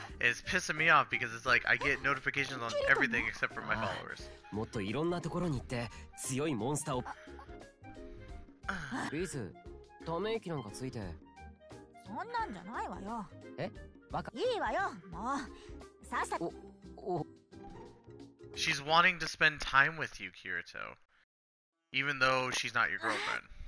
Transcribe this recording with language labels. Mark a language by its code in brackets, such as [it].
[en] It's pissing me off because it's like I get notifications on everything except for my followers. [ja] もっといろんなところに行って強いモンスターを。リズ、ため息なんかついて。そんなんじゃないわよ。え、バカ。いいわよ。もうさっさ。お。 [en] She's wanting to spend time with you, Kirito, even though she's not your girlfriend.